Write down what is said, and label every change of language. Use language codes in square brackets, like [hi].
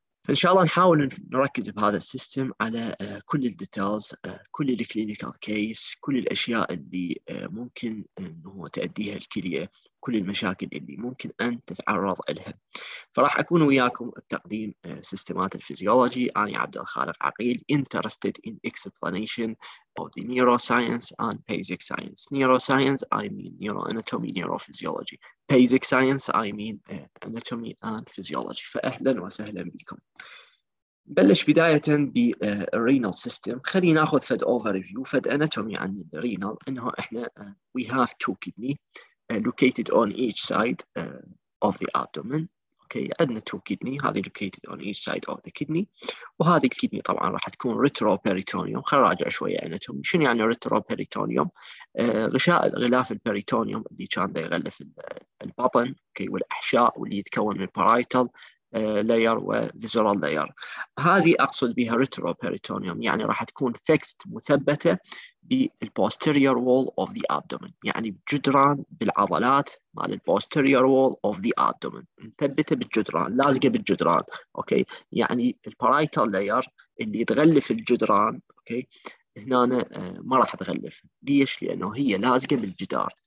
[ar] إن شاء الله نحاول نركز بهذا السيستم على كل الديتيلز، كل الكلينيكال كيس، كل الأشياء اللي ممكن إنه تأديها الكلية، كل المشاكل اللي ممكن أن تتعرض لها. فراح أكون وياكم بتقديم سيستمات الفيزيولوجي. [en] أنا عبد الخالق عقيل، interested in explanation of the neuroscience and basic science. Neuroscience I mean neuroanatomy, neurophysiology. Basic science I mean anatomy and physiology. [ar] فأهلا وسهلا بكم. بلش بداية بالرينال سيستم. خلينا ناخذ فد [en] overview، فد anatomy [ar] عن الرينال، انه احنا [en] we have two kidney located on each side of the abdomen. Okay. [ar] عندنا two kidney، هذه [en] located on each side of the kidney، [ar] وهذه الكيدني طبعا راح تكون retroperitoneum. خلينا نراجع شويه anatomy. شنو يعني retroperitoneum؟ غشاء الغلاف البريتونيوم اللي كان يغلف البطن، okay، والاحشاء، واللي يتكون من parietal layer وvisceral layer. هذه اقصد بها retroperitoneum، يعني راح تكون fixed، مثبته بال [en] posterior wall of the abdomen، [ar] يعني بجدران بالعضلات مال posterior wall of the abdomen، مثبته بالجدران، لازقه بالجدران، اوكي؟ يعني البارايتال layer اللي تغلف الجدران، اوكي؟ هنا ما راح تغلف، ليش؟ لانه هي لازقه بالجدار.